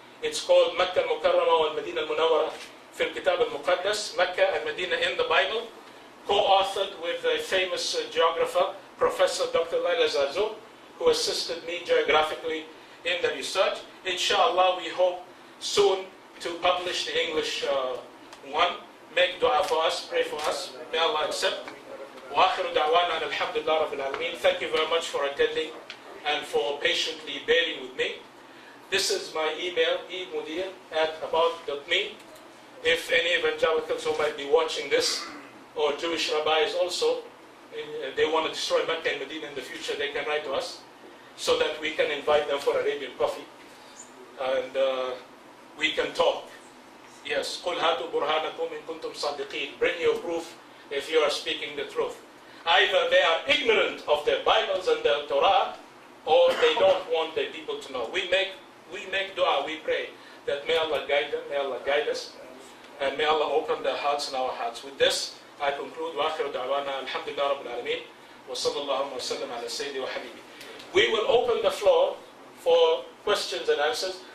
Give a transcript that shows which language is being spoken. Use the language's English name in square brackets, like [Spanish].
[English] It's called Makkah al-Mukarrama wa al-Madina al-Munawwara fi al-Kitab al-Muqaddas, Makkah and Medina in the Bible, co-authored with a famous geographer, Professor Dr. Laila Zazou, who assisted me geographically in the research. Inshallah, we hope soon to publish the English one. Make dua for us, pray for us, may Allah accept. [Arabic] وآخر دعوانا أن الحمد لله رب العالمين. [English] Thank you very much for attending and for patiently bearing with me. This is my email, emudir@about.me. If any evangelicals who might be watching this, or Jewish rabbis also, they want to destroy Mecca and Medina in the future, they can write to us so that we can invite them for Arabian coffee and we can talk. Yes, [Arabic] قل هاتوا برهانكم إن كنتم صادقين. [English] Bring your proof if you are speaking the truth. Either they are ignorant of their Bibles and their Torah, or they don't want their people to know. We make dua, we pray, that may Allah guide them, may Allah guide us, and may Allah open their hearts and our hearts. With this, I conclude. [Arabic] وآخر دعوانا الحمد لله رب العالمين وصلى الله وسلم على سيدي وحبيبي. [English] We will open the floor for questions and answers.